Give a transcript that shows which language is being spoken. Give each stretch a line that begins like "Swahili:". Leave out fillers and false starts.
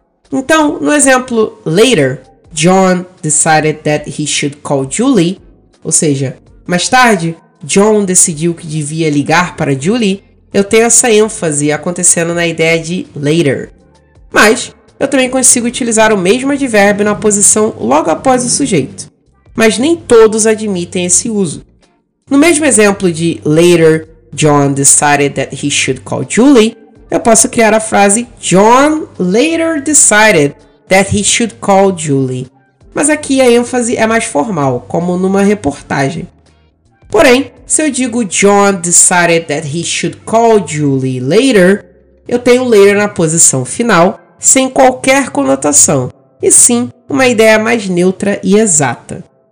Portuguese: Então, no exemplo
English: later, John decided that he should call Julie,
Portuguese: ou seja, mais tarde, John decidiu que devia ligar para Julie, eu tenho essa ênfase acontecendo na ideia de later. Mas eu também consigo utilizar o mesmo advérbio na posição logo após o sujeito, mas nem todos admitem esse uso. No mesmo exemplo de
English: later, John decided that he should call Julie,
Portuguese: eu posso criar a frase
English: John later decided that he should call Julie.
Portuguese: Mas aqui a ênfase é mais formal, como numa reportagem. Porém, se eu digo
English: John decided that he should call Julie later,
Portuguese: eu tenho later na posição final, sem qualquer conotação, e sim uma ideia mais neutra e exata.